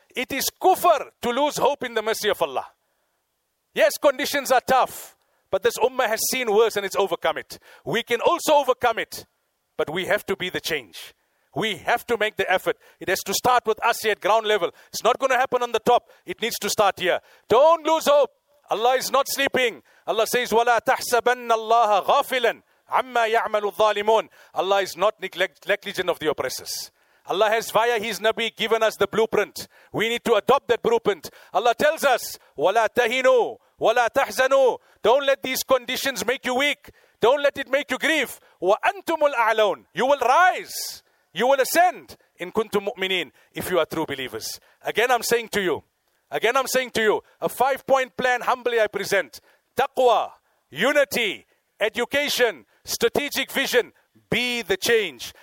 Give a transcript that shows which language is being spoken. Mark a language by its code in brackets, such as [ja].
[en] It is kufr to lose hope in the mercy of Allah. Yes, conditions are tough, but this ummah has seen worse and it's overcome it. We can also overcome it, but we have to be the change. We have to make the effort. It has to start with us here at ground level. It's not going to happen on the top. It needs to start here. Don't lose hope. Allah is not sleeping. Allah says, [ar] وَلَا تَحْسَبَنَّ اللَّهَ غَافِلًا عَمَّا يَعْمَلُ الظَّالِمُونَ. [en] Allah is not negligent of the oppressors. Allah has, via His Nabi, given us the blueprint. We need to adopt that blueprint. Allah tells us, [ar] وَلَا تَهِنُوا وَلَا تَحْزَنُوا. [en] Don't let these conditions make you weak. Don't let it make you grieve. [ar] وَأَنْتُمُ الْأَعْلَوْنَ. [en] You will rise. You will ascend [ar] in kuntum mu'mineen [en] if you are true believers. Again, I'm saying to you, a 5-point plan humbly I present. Taqwa, unity, education, strategic vision, be the change.